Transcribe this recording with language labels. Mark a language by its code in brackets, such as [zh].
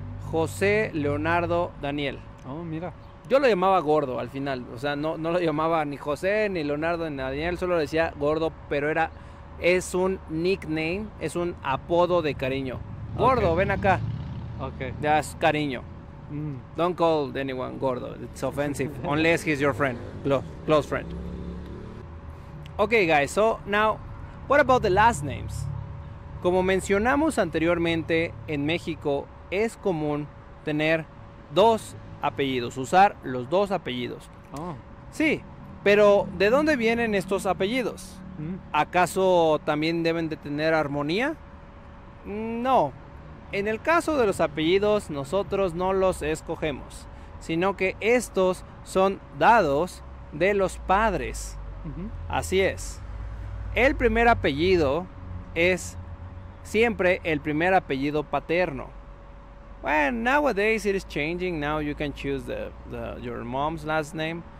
[es] José Leonardo Daniel. Oh, mira. Yo lo llamaba Gordo al final, o sea, no lo llamaba ni José, ni Leonardo, ni Daniel, solo le decía Gordo, pero es un nickname, es un apodo de cariño. Gordo, okay. Ven acá. Ok. Ya es cariño. [en] Don't call anyone Gordo, it's offensive, unless he's your friend, close friend. Ok, guys, so now, what about the last names? [es] Como mencionamos anteriormente, en México es común tener dos apellidos, usar los dos apellidos. Oh. Sí, pero ¿de dónde vienen estos apellidos? ¿Acaso también deben de tener armonía? No. En el caso de los apellidos, nosotros no los escogemos, sino que estos son dados de los padres. Así es. El primer apellido es siempre el primer apellido paterno. [en] Well, nowadays it is changing. Now you can choose your mom's last name.